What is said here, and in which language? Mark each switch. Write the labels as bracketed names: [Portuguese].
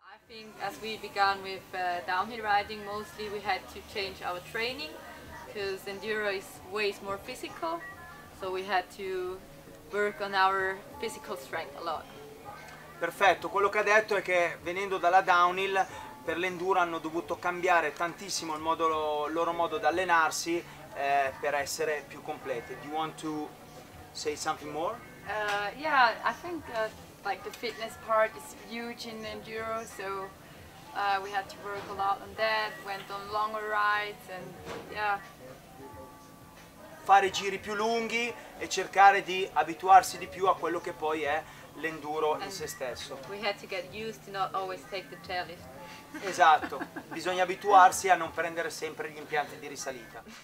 [English] I think as we began with downhill riding, mostly we had to change our training because enduro is way more physical, so we had to work on our physical strength a lot. [Italian] Perfetto, quello che ha detto è che venendo dalla downhill, per l'enduro hanno dovuto cambiare tantissimo il modo, loro modo di allenarsi per essere più complete. [English] Do you want to say something more? Yeah, I think like the fitness part is huge in enduro, so we had to work a lot on that, went on longer rides and yeah. [Italian] Fare giri più lunghi e cercare di abituarsi di più a quello che poi è l'enduro in se stesso. [English] We had to get used to not always take the chairlift. [Italian] Esatto, bisogna abituarsi a non prendere sempre gli impianti di risalita.